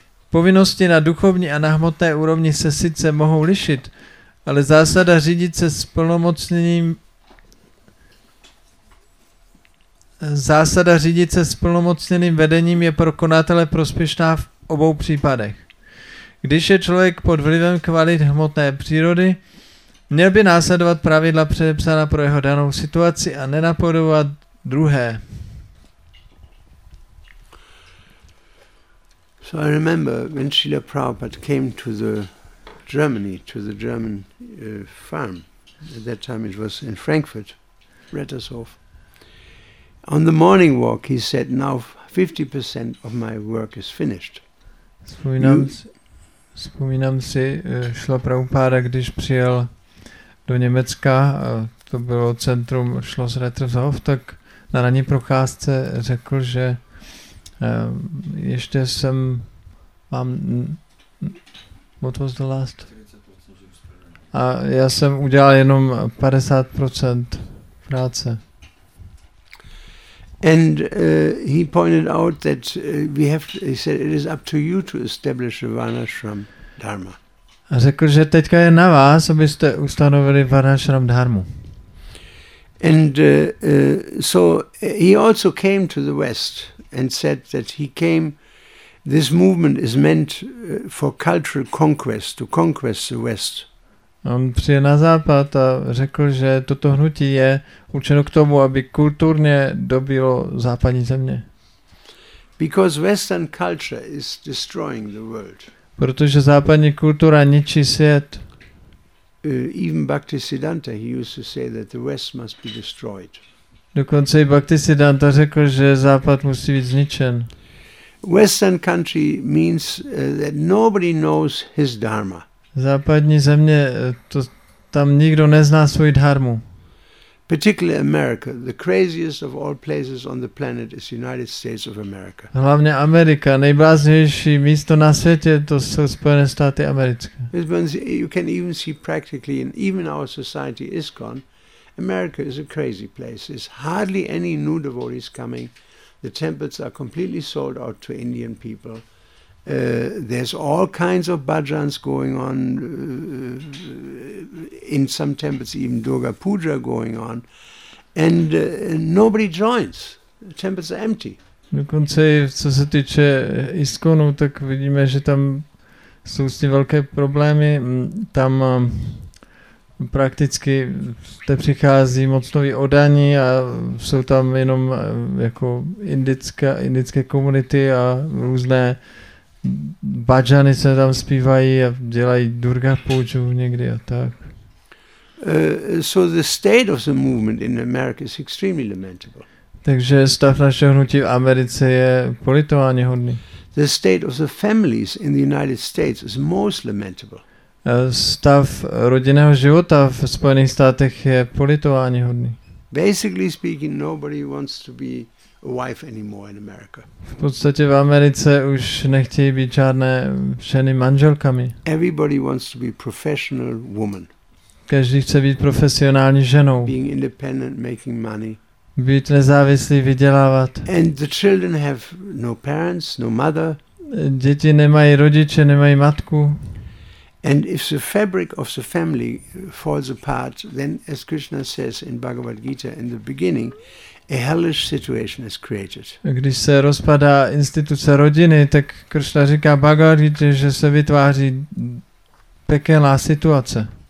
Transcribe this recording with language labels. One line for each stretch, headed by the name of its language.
Czech: Povinnosti na duchovní a na hmotné úrovni se sice mohou lišit, ale zásada řídit se splnomocněným vedením je pro konatele prospěšná v obou případech. Když je člověk pod vlivem kvalit hmotné přírody, měl by následovat pravidla předepsaná pro jeho danou situaci a nenapodobovat druhé.
English: So I remember when Srila Prabhupada came to the Germany, to the German farm, at that time it was in Frankfurt, Rettershof. On the morning walk, he said, now 50% of my work is finished.
Czech: Vzpomínám si, Šla Prabhupáda, když přijel do Německa, a to bylo centrum Schloss Rettershof, tak na ranní procházce řekl, že ještě jsem, mám,
English: what was the last?
Czech: A já jsem udělal jenom 50% práce.
English: And he pointed out that we have to, he said it is up to you to establish a varnashram dharma.
Czech: A řekl, že teďka je na vás, abyste ustanovili varnashram dharmu.
English: And so he also came to the West and said that he came, this movement is meant for cultural conquest, to conquer the West.
Czech: On přijel na západ a řekl, že toto hnutí je určeno k tomu, aby kulturně dobilo západní země.
English: Because Western culture is destroying the world.
Czech: Protože západní kultura ničí svět.
English: Even Bhaktisiddhanta, he used to say that the West must be destroyed.
Czech: Dokonce i Bhaktisiddhanta řekl, že Západ musí být zničen.
English: Western country means that nobody knows his dharma.
Czech: Západní země, to tam nikdo nezná svou dharmu.
English: Particularly America, the craziest of all places on the planet is United States of America.
Czech: Hlavně Amerika, nejbláznivější místo na světě, to jsou Spojené státy americké.
English: You can even see practically, in even our society ISKCON, America is a crazy place. There's hardly any new devotees coming. The temples are completely sold out to Indian people. There's all kinds of bhajans going on, in some temples even Durga Puja going on, and nobody joins. The temples are empty.
Czech: Dokonce, co se týče ISKCONu, tak vidíme, že tam jsou s tím velké problémy. Tam prakticky te přichází moc nový odaní a jsou tam jenom jako indické komunity a různé bhajany se tam zpívají a dělají Durga Puja někdy a tak.
English: So the state of the movement in America is extremely lamentable.
Czech: Takže stav našeho hnutí v Americe je politováníhodný.
English: The state of the families in the United States is most lamentable.
Czech: Stav rodinného života v Spojených státech je politováníhodný.
English: Basically speaking, nobody wants to be a wife anymore in America.
Czech: V podstatě v Americe už nechtějí být žádné ženy manželkami.
English: Everybody wants to be professional woman.
Czech: Každý chce být profesionální ženou.
English: Being independent, making money.
Czech: Být nezávislý, vydělávat.
English: And the children have no parents, no mother.
Czech: Děti nemají rodiče, nemají matku.
English: And if the fabric of the family falls apart, then as Krishna says in Bhagavad Gita in the beginning, a hellish situation is created.
Czech: Když se rozpadá instituce rodiny, tak Krishna říká Bhagavad Gita, že se vytváří pekelná situace.